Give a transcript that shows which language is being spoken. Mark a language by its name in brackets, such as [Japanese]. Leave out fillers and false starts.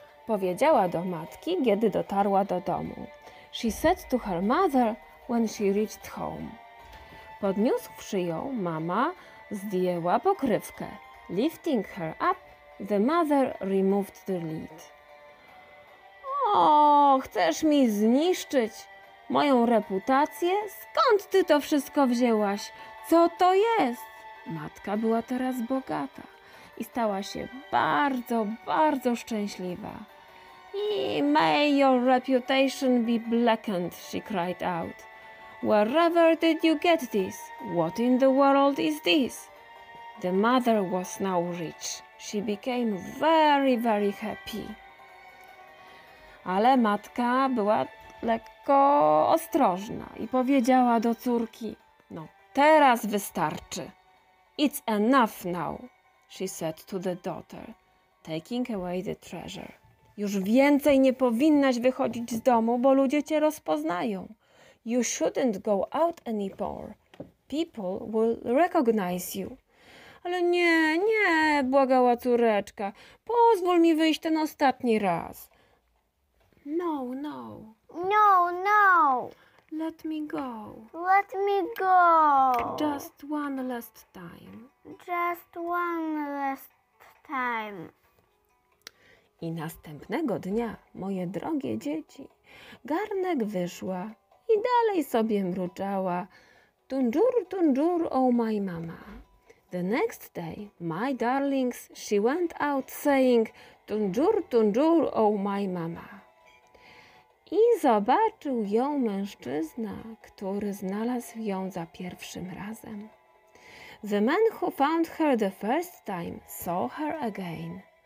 [Polish] Powiedziała do matki, kiedy dotarła do domu. [English] She said to her mother when she reached home. [Polish] Podniósłszy ją, mama zdjęła pokrywkę. [English] Lifting her up, the mother removed the lid. [Polish] Och, chcesz mi zniszczyć moją reputację? Skąd ty to wszystko wzięłaś? Co to jest? Matka była teraz bogata i stała się bardzo, bardzo szczęśliwa. [English] May your reputation be blackened, she cried out. Wherever did you get this? What in the world is this? The mother was now rich. She became very, very happy. [Polish] Ale matka była lekko ostrożna i powiedziała do córki: no teraz wystarczy. [English] It's enough now, she said to the daughter, taking away the treasure. [Polish] Już więcej nie powinnaś wychodzić z domu, bo ludzie cię rozpoznają. [English] You shouldn't go out anymore. People will recognize you. [Polish] Ale nie, nie, błagała córeczka. Pozwól mi wyjść ten ostatni raz. [English] No, no. No, no. Let me go. Let me go. Just one last time. Just one last time. [Polish] I następnego dnia, moje drogie dzieci, garnek wyszła i dalej sobie mruczała. [English] Tundur, tundur, oh my mama. The next day, my darlings, she went out saying, tundur, tundur, oh my mama. [Polish] I zobaczył ją mężczyzna, który znalazł ją za pierwszym razem. [English] The man who found her the first time saw her again.